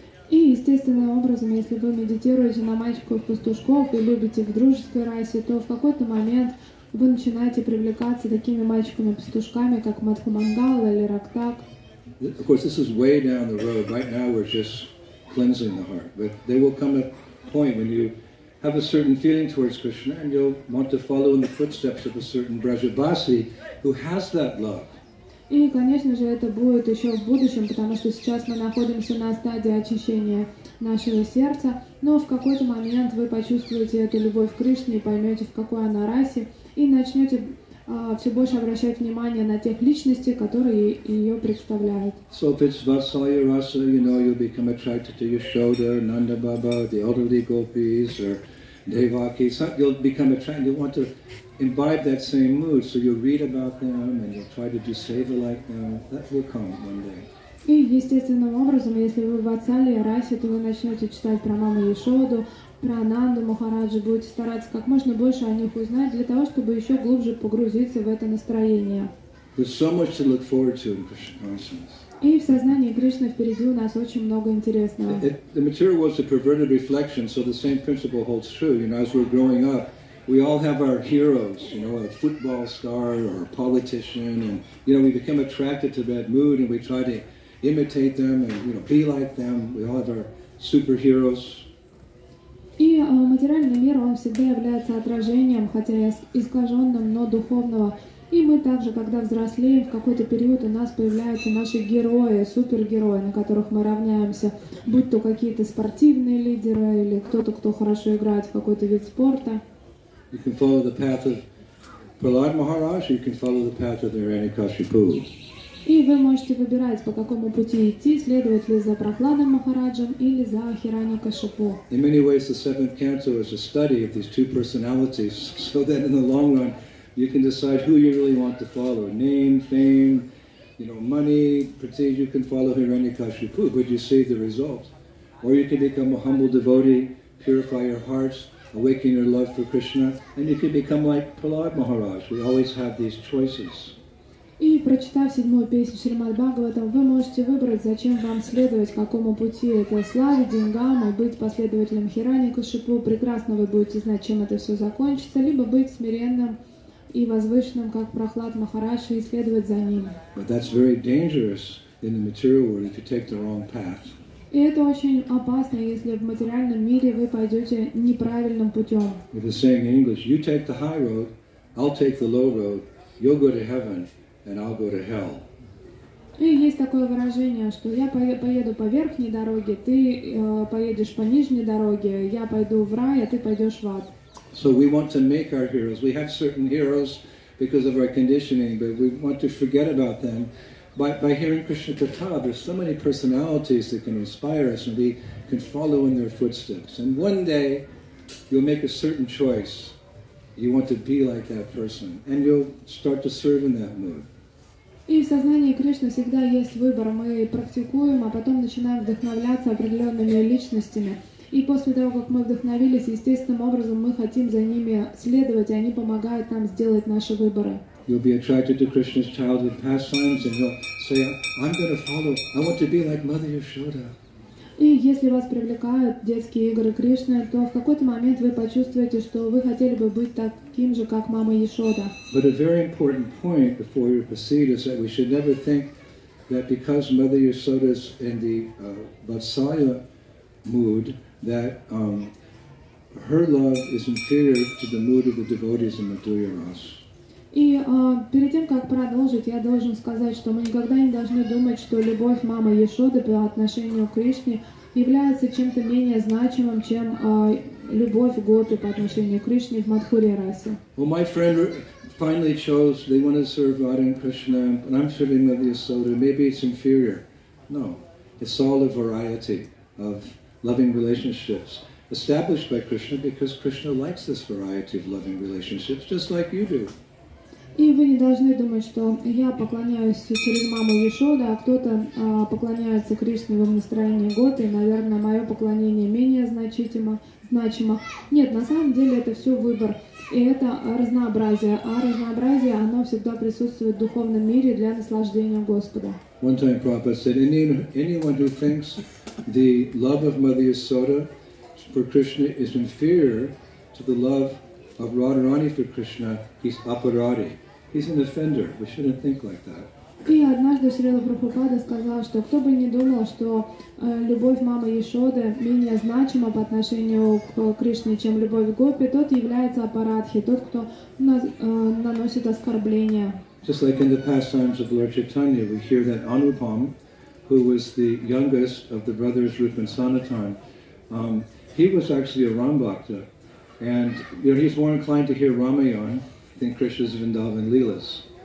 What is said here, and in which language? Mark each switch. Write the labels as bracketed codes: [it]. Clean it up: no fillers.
[ru] И естественным образом, если вы медитируете на мальчиков-пастушков и любите в дружеской расе, то в какой-то момент вы начинаете привлекаться такими мальчиками-пастушками, как Мадху Мангал или Рактак. [en] Of course, this is way down the road. Right now we're just cleansing the heart. But there will come a point when you have a certain feeling towards Krishna and you'll want to follow in the footsteps of a certain Brajabasi who has that love. [ru] И, конечно же, это будет еще в будущем, потому что сейчас мы находимся на стадии очищения нашего сердца, но в какой-то момент вы почувствуете эту любовь к Кришне и поймете, в какой она расе, и начнете все больше обращать внимание на тех личностей, которые ее представляют. [en] So if it's Vatsalya Rasa, you know, you'll become attracted to Yashoda, Nanda Baba, the elderly gopis, or Devaki. You'll become attracted, you want to imbibe that same mood, so you'll read about them and you'll try to do seva like them. That will come one day. [ru] И естественным образом, если вы в Ацале, Расе, то вы начнете читать про маму Яшоду, про Ананду Махараджи, будете стараться как можно больше о них узнать, для того, чтобы еще глубже погрузиться в это настроение. [en] There's so much to look forward to in Krishna consciousness. [ru] И в сознании Кришны впереди у нас очень много интересного. [en] The material was a perverted reflection, so the same principle holds true. You know, as we're growing up, we all have our heroes, you know, a football star or a politician, and you know, we become attracted to that mood and we try to imitate them and, you know, be like them. We all have our superheroes. [ru] И материальный мир, он всегда является отражением, хотя и искаженным, но духовного. И мы также, когда взрослеем, в какой-то период у нас появляются наши герои, супергерои, на которых мы равняемся. Будь то какие-то спортивные лидеры или кто-то, кто хорошо играет в какой-то вид спорта. [en] You can follow the path of Prahlad Maharaj, or you can follow the path of Hiranyakashipu. [ru] И вы можете выбирать, по какому пути идти, следовать ли за Прахладом Махараджем или за Хиранья-Кашипу. [en] In many ways, the seventh canto is a study of these two personalities, so that in the long run, you can decide who you really want to follow. Name, fame, you know, money, prestige, you can follow Hiranyakashipu, but you see the result. Or you can become a humble devotee, purify your hearts, awaken your love for Krishna, and you can become like Prahlad Maharaj. We always have these choices. [ru] И прочитав седьмую песню Шримад Бхагаватам, вы можете выбрать, зачем вам следовать, какому пути, это славе, деньгам, и быть последователем Хиранья-Кашипу. Прекрасно вы будете знать, чем это все закончится, либо быть смиренным и возвышенным, как Прахлад Махараш, и следовать за ним. [en] But that's very dangerous in the material world if you take the wrong path. [ru] И это очень опасно, если в материальном мире вы пойдете неправильным путем. [en] If you're saying in English, you take the high road, I'll take the low road, you'll go to heaven. And I'll go to hell. [ru] И есть такое выражение, что я поеду по верхней дороге, ты поедешь по нижней дороге, я пойду в рай, а ты пойдешь в ад. [en] So we want to make our heroes. We have certain heroes because of our conditioning, but we want to forget about them. By hearing Krishna Katha, there's so many personalities that can inspire us and we can follow in their footsteps. And one day, you'll make a certain choice. You want to be like that person, and you'll start to serve in that mood. [ru] И в сознании Кришны всегда есть выбор. Мы практикуем, а потом начинаем вдохновляться определенными личностями. И после того, как мы вдохновились, естественным образом мы хотим за ними следовать, и они помогают нам сделать наши выборы. [en] You'll be attracted to Krishna's childhood pastimes, and you'll say, "I'm going to follow. I want to be like Mother Yashoda." [ru] И если вас привлекают детские игры Кришны, то в какой-то момент вы почувствуете, что вы хотели бы быть таким же, как мама Яшода. [en] But a very important point before we proceed is that we should never think that because Mother Yashoda is in the Vatsala mood, that her love is inferior to the mood of the devotees in Madhurya Ras. [ru] И перед тем, как продолжить, я должен сказать, что мы никогда не должны думать, что любовь мамы Яшоды по отношению к Кришне является чем-то менее значимым, чем любовь Гопи по отношению к Кришне в Мадхуре Расе. [en] Well, my friend finally chose, they want to serve Radha and Krishna, and I'm serving Mother Yashoda. Maybe it's inferior. No, it's all a variety of loving relationships established by Krishna because Krishna likes this variety of loving relationships, just like you do. [ru] И вы не должны думать, что я поклоняюсь через маму Яшоду, а кто-то поклоняется Кришне в настроении Готы, и, наверное, мое поклонение менее значимо. Нет, на самом деле это все выбор, и это разнообразие. А разнообразие, оно всегда присутствует в духовном мире для наслаждения Господа. [en] One time Prabhupada said, anyone who thinks the love of Mother Yashoda for Krishna is inferior to the love of Radharani for Krishna, he's aparadi. He's an offender. We shouldn't think like that. [ru] И однажды Шрила Прабхупада сказал, что кто бы не думал, что любовь мамы Яшоды менее значима по отношению к Кришне, чем любовь Гопи, тот является апарадхи, тот, кто наносит оскорбление. [en] Just like in the pastimes of Lord Chaitanya, we hear that Anupam, who was the youngest of the brothers Rupa and Sanatan, he was actually a Rambhakta. And you know, he's more inclined to hear Ramayana than Krishna's Vrindavan Leelas.